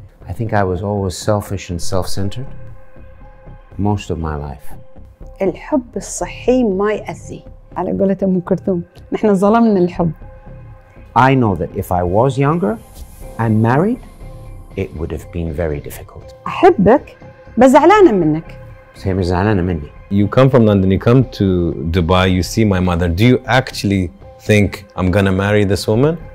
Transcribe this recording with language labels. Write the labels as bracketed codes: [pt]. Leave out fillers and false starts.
[en] I think I was always selfish and self-centered most of my life. [ar] الحب الصحي ما يأذي. على قولة أم كلثوم، نحن ظلمنا الحب. [en] I know that if I was younger and married, it would have been very difficult. [ar] أحبك بس زعلانة منك. سامي زعلانة مني. [en] You come from London, you come to Dubai, you see my mother. Do you actually think I'm gonna marry this woman?